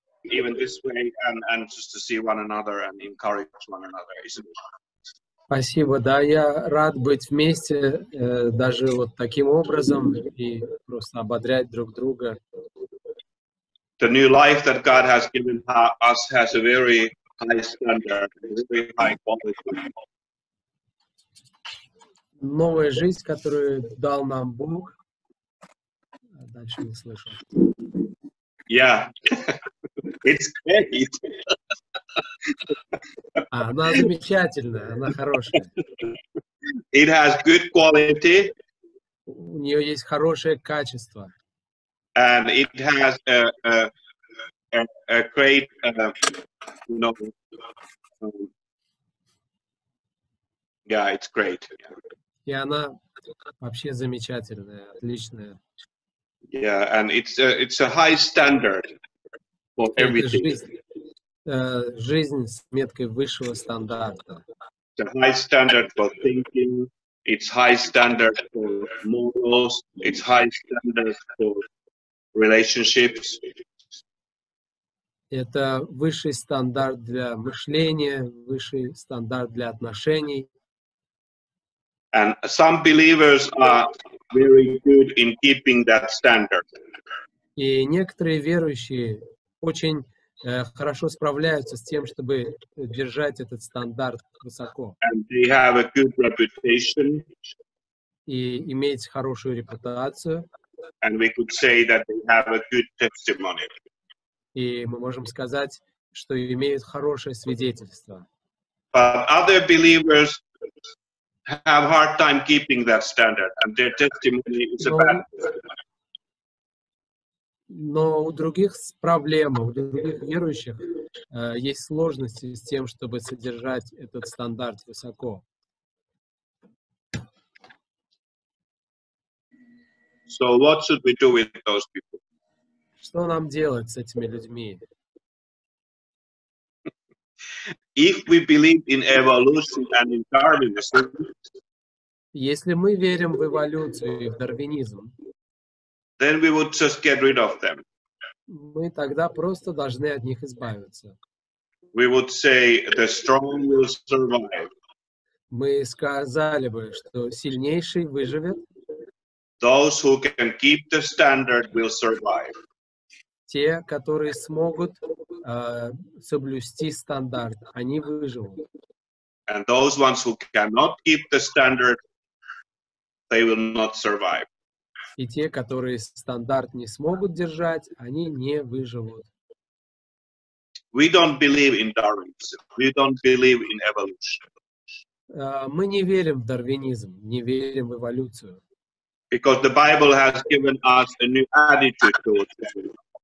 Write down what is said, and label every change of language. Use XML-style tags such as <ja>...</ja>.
<en>Even this way, and just to see one another and encourage one another, isn't it?</en> <ru>Спасибо, да, я рад быть вместе, даже вот таким образом, и просто ободрять друг друга.</ru> <en>The new life that God has given us has a very high standard, very high quality.</en> <ru>Новая жизнь, которую дал нам Бог. Дальше не слышу.</ru> <en>Yeah. It's great.</en> <ru>Она замечательная, она хорошая.</ru> <en>It has good quality.</en> <ru>У нее есть хорошее качество.</ru> <en>And it has a great, you know, yeah, it's great.</en> <ru>И она вообще замечательная, отличная.</ru> <en>Yeah, and it's a high standard for everything.</en> <ru>Жизнь с меткой высшего стандарта.</ru> <en>It's a high standard for thinking. It's high standard for morals. It's high standard for relationships.</en> <ru>Это высший стандарт для мышления, высший стандарт для отношений.</ru> <en>And some believers are very good in keeping that standard.</en> <ru>И некоторые верующие очень хорошо справляются с тем, чтобы держать этот стандарт высоко.</ru> <en>And they have a good reputation.</en> <ru>И иметь хорошую репутацию.</ru> <en>And we could say that they have a good testimony.</en> <ru>И мы можем сказать, что имеют хорошее свидетельство.</ru> <en>But other believers have hard time keeping that standard, and their testimony is a bad.</en> <ru>Но у других проблема, у других верующих есть сложности с тем, чтобы содержать этот стандарт высоко.</ru> <en>So what should we do with those people?</en> <ru>Что нам делать с этими людьми?</ru> <en>If we believe in evolution and in Darwinism,</en> <ru>если мы верим в эволюцию и в дарвинизм,</ru> <en>then we would just get rid of them.</en> <ru>Мы тогда просто должны от них избавиться.</ru> <en>We would say the strong will survive.</en> <ru>Мы сказали бы, что сильнейший выживет.</ru> <en>Those who can keep the standard will survive.</en> <ru>Те, которые смогут соблюсти стандарт, они выживут.</ru> <en>And those ones who cannot keep the standard, they will not survive.</en> <ru>И те, которые стандарт не смогут держать, они не выживут.</ru> <en>We don't believe in Darwinism. We don't believe in evolution.</en> <ru>Мы не верим в дарвинизм, не верим в эволюцию.</ru> <en>Because the Bible has given us a new attitude towards evolution.</en>